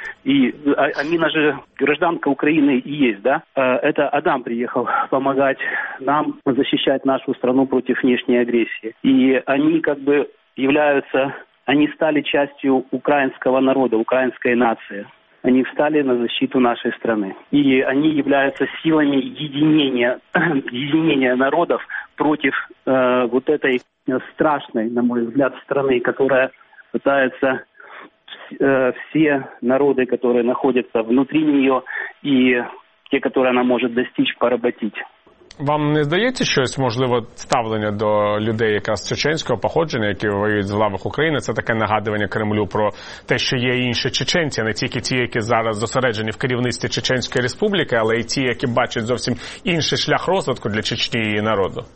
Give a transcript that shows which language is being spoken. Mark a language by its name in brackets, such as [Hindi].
[Ukrainian] І Аміна же гражданка України і є, да? Это Адам приїхав помогати нам захищати нашу страну проти внешньої агресії. І вони [Russian] как бы [Ukrainian] являються, вони стали частиною українського народу, української нації. Вони встали [Russian] на защиту нашей страны. И они являются силами единения народов против вот этой страшной, на мой взгляд, страны, которая пытается все народы, которые находятся внутри нее, и те, которые она может достичь, поработить. [Ukrainian] Вам не здається щось, можливо, ставлення до людей якраз чеченського походження, які воюють з лавах України, це таке нагадування Кремлю про те, що є інші чеченці, не тільки ті, які зараз зосереджені в керівництві Чеченської Республіки, але й ті, які бачать зовсім інший шлях розвитку для Чечні і її народу?